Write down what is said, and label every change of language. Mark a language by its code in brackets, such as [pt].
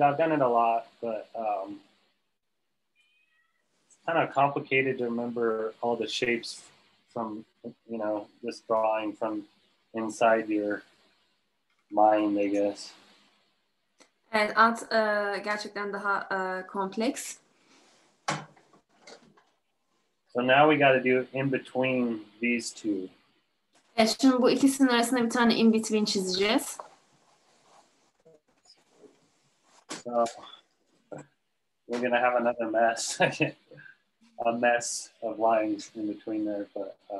[en] I've done it a lot, but it's kind of complicated to remember all the shapes from, you know, just drawing from inside your mind, I guess. [tr] Evet, at gerçekten daha kompleks. [en] So now we got to do in between these two. [tr] Evet, şimdi bu ikisinin arasında bir tane in between çizeceğiz. [en] So we're gonna have another mess, a mess of lines in between there, but.